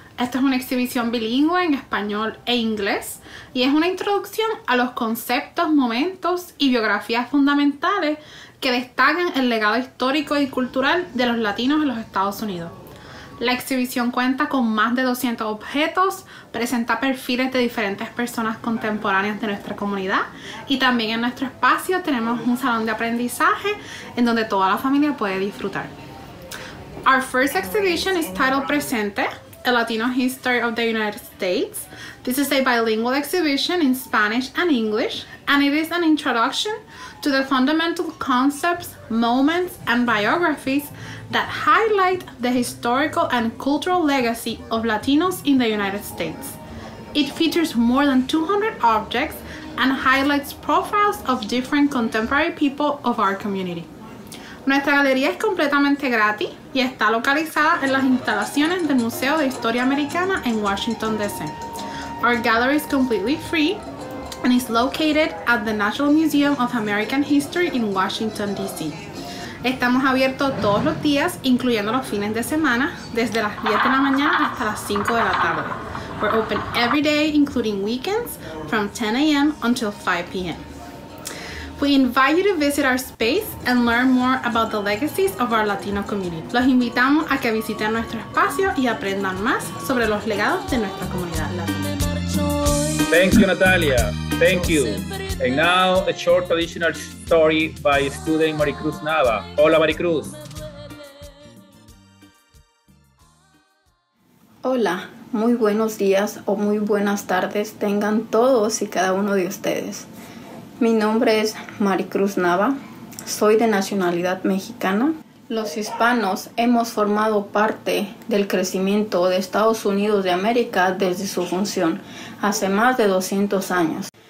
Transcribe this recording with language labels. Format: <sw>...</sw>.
<es>Esta es una exhibición bilingüe en español e inglés y es una introducción a los conceptos, momentos y biografías fundamentales que destacan el legado histórico y cultural de los latinos en los Estados Unidos. La exhibición cuenta con más de 200 objetos, presenta perfiles de diferentes personas contemporáneas de nuestra comunidad y también en nuestro espacio tenemos un salón de aprendizaje en donde toda la familia puede disfrutar.</es> <en>Our first exhibition is titled Presente, a Latino History of the United States. This is a bilingual exhibition in Spanish and English, and it is an introduction to the fundamental concepts, moments, and biographies that highlight the historical and cultural legacy of Latinos in the United States. It features more than 200 objects and highlights profiles of different contemporary people of our community.</en> <es>Nuestra galería es completamente gratis y está localizada en las instalaciones del Museo de Historia Americana en Washington, D.C.</es> <en>Our gallery is completely free and is located at the National Museum of American History in Washington, D.C.</en> <es>Estamos abiertos todos los días, incluyendo los fines de semana, desde las 10 de la mañana hasta las 5 de la tarde.</es> <en>We're open every day, including weekends, from 10 a.m. until 5 p.m. We invite you to visit our space and learn more about the legacies of our Latino community.</en> <es>Los invitamos a que visiten nuestro espacio y aprendan más sobre los legados de nuestra comunidad latina.</es> <en>Thank you, Natalia. Thank you. And now, a short traditional story by student Maricruz Nava.</en> <es>Hola, Maricruz. Hola, muy buenos días o muy buenas tardes tengan todos y cada uno de ustedes. Mi nombre es Maricruz Nava, soy de nacionalidad mexicana. Los hispanos hemos formado parte del crecimiento de Estados Unidos de América desde su función, hace más de 200 años.</es>